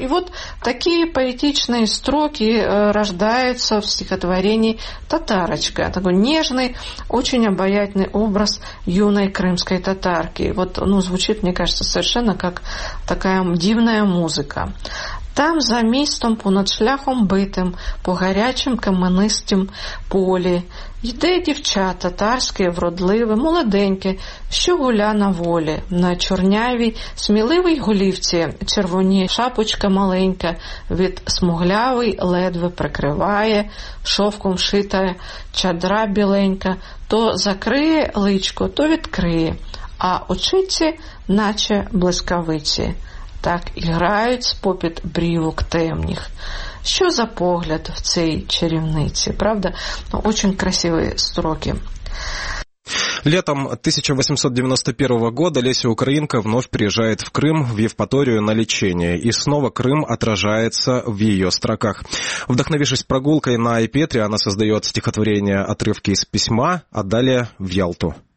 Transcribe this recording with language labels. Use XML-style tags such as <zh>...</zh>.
<ru>И вот такие поэтичные строки рождаются в стихотворении «Татарочка». Такой нежный, очень обаятельный образ юной крымской татарки. Вот, ну, звучит, мне кажется, совершенно как такая дивная музыка.</ru> <uk>«Там за містом, понад шляхом битим, по гарячим каменистим полі, йде дівча татарське вродливе, молоденьке, що гуля на волі, на чорнявій сміливій голівці червоні, шапочка маленька від смуглявий ледве прикриває, шовком шита чадра біленька, то закриє личко, то відкриє, а очиці наче блискавиці». Так і грають попід брівок темних. Що за погляд в цій чарівниці, правда?</uk> <ru>Ну, очень красивые строки. Летом 1891 года Леся Украинка вновь приезжает в Крым, в Евпаторию на лечение, и снова Крым отражается в ее строках. Вдохновившись прогулкой на Айпетре, она создает стихотворение «Отрывки из письма», а далее в Ялту.</ru>